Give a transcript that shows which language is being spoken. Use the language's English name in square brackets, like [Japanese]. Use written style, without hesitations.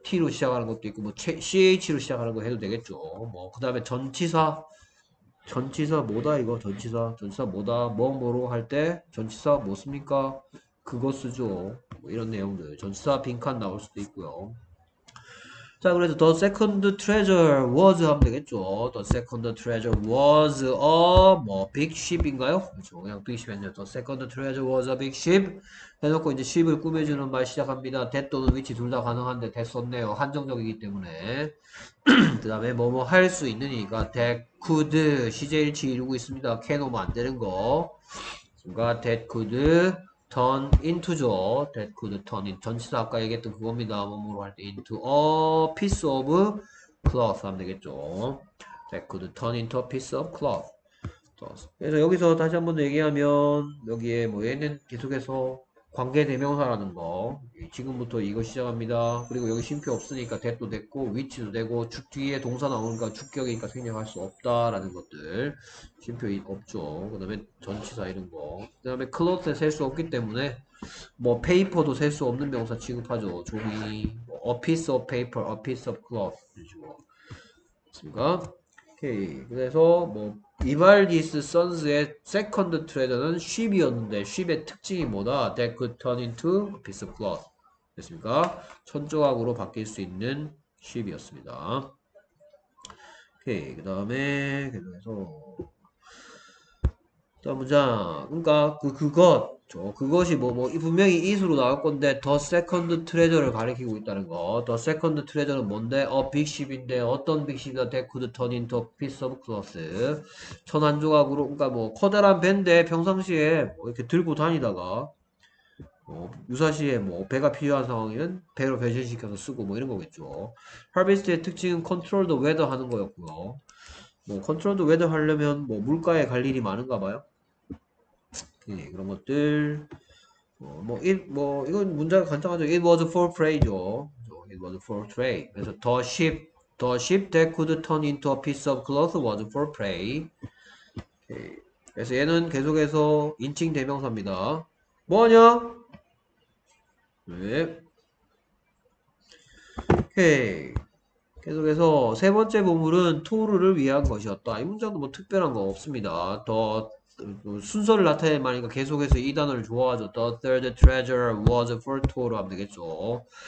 [Korean] T로 시작하는 것도 있고 뭐 CH로 시작하는 거 해도 되겠죠. 뭐그 다음에 전치사. 전치사 뭐다 이거? 전치사. 전치사 뭐다? 뭐뭐로 할때 전치사 뭐 씁니까? 그거 쓰죠. 뭐 이런 내용들. 전치사 빈칸 나올 수도 있고요. 자, 그래서 [English] the second treasure was [Korean] 하면 되겠죠. [English] The second treasure was a 뭐 big ship인가요? 그렇죠. 그냥 big ship 했네요. The second treasure was a big ship [Korean] 해놓고 이제 [English] ship을 꾸며주는 말 시작합니다. [Korean] that 또는 which 둘다 가능한데 that 썼네요. 한정적이기 때문에 그 다음에 뭐뭐 할수 있느니가 that could 시제일치 이루고 있습니다. [English] can [Korean] 오면 안 되는 거. 그러니까 [English] that could turn into죠. That could turn into. [Korean] 전치사 아까 얘기했던 그겁니다. 몸으로 할때 [English] into a piece of cloth [Korean] 하면 되겠죠. [English] That could turn into a piece of cloth. [Korean] 그래서 여기서 다시 한번 얘기하면, 여기에 뭐 얘는 계속해서 관계 대명사라는 거. 지금부터 이거 시작합니다. 그리고 여기 쉼표 없으니까 that도 됐고, which도 되고, 주 뒤에 동사 나오니까 주격이니까 생략할 수 없다라는 것들. 쉼표 없죠. 그 다음에 전치사 이런 거. 그 다음에 cloth에 셀수 없기 때문에, 뭐, paper도 셀수 없는 명사 취급하죠. 종이. [English] 뭐, a piece of paper, a piece of cloth. 그렇습니까? 오케이. [Korean] 그래서, 뭐, 이발디스 선즈의 세컨드 트레저는 쉽이었는데 쉽의 특징이 뭐다? [English] That could turn into a piece of cloth. [Korean] 됐습니까? 천조각으로 바뀔 수 있는 쉽이었습니다. 오케이. 그 다음에 계속해서 다음 문장. 그러니까 그것이 뭐뭐 뭐, 분명히 is로 나올 건데 the second treasure를 가리키고 있다는 거. [English] the second treasure는 뭔데? a big ship인데 어떤 big ship이다? that could turn into a piece of cloth. [Korean] 천한 조각으로 그러니까 뭐 커다란 배인데 평상시에 뭐 이렇게 들고 다니다가 뭐 유사시에 뭐 배가 필요한 상황이면 배로 변신시켜서 쓰고 뭐 이런 거겠죠. harvest의 특징은 [English] control the weather [Korean] 하는 거였고요. 뭐 control the weather 하려면 뭐 물가에 갈 일이 많은가 봐요. 예, 그런 것들. 이건 문장이 간단하죠. [English] It was for trade죠. It was for trade. 그래서 the ship that could turn into a piece of cloth was for trade. [Korean] 그래서 얘는 계속해서 인칭 대명사입니다. 뭐냐? 네. 오케이. 계속해서 세 번째 보물은 토르를 위한 것이었다. 이 문장도 뭐 특별한 거 없습니다. 더 순서를 나타낼 말이니까 계속해서 이 단어를 좋아하죠. [English] The third treasure was for Thor [Korean] 하면 되겠죠.